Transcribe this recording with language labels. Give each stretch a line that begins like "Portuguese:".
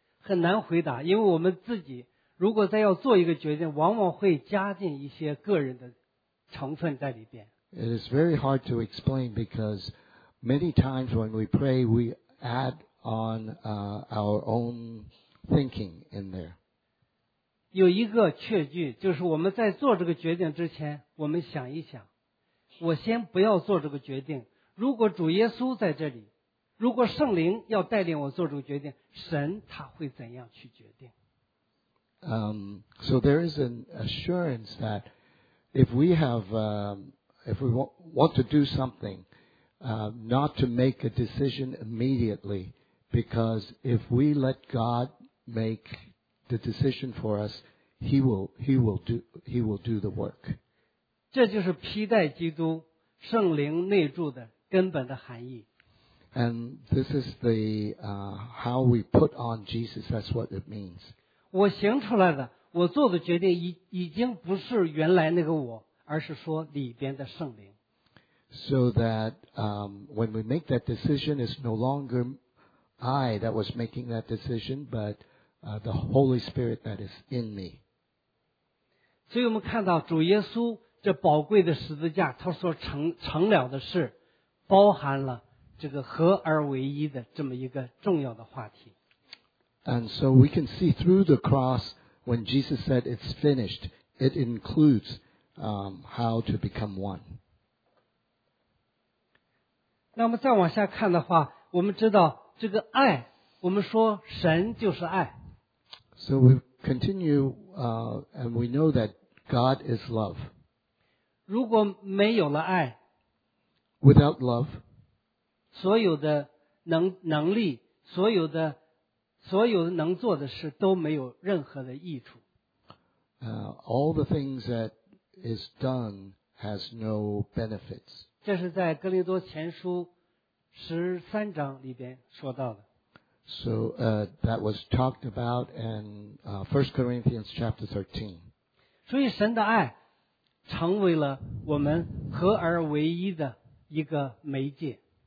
Chinese: 很难回答，因为我们自己如果再要做一个决定，往往会加进一些个人的成分在里边。
English: It is very hard to explain because many times when we pray, we add on our own thinking in there.
Chinese: 有一个确据，就是我们在做这个决定之前，我们想一想，我先不要做这个决定。如果主耶稣在这里，如果圣灵要带领我做这个决定，神他会怎样去决定？
English: So there is an assurance that if we have if we want to do something, not to make a decision immediately, because if we let God make the decision for us, He will do the work.
Chinese: 这就是披戴基督圣灵内住的根本的含义。
English: And this is the how we put on Jesus. That's what it means.
Chinese: 我行出来的，我做的决定已经不是原来那个我。而是说里边的圣灵。
English: so that when we make that decision, it's no longer I that was making that decision, but the Holy Spirit that is in me.
Chinese: 所以我们看到主耶稣这宝贵的十字架，他所成了的事，包含了这个合而为一的这么一个重要的话题。
English: And so we can see through the cross when Jesus said it's finished, it includes how to become one.
Chinese: 那么再往下看的话，我们知道这个爱，我们说神就是爱。
English: So we continue, and we know that God is love.
Chinese: 如果没有了爱
English: ，without love，
Chinese: 所有的能力，所有的能做的事都没有任何的益处。
English: All the things that is done has no benefits.
Chinese: 这是在哥林多前书十三章里边说到的。
English: So that was talked about in First Corinthians chapter 13.
Chinese: 所以神的爱成为了我们合而为一的一个媒介。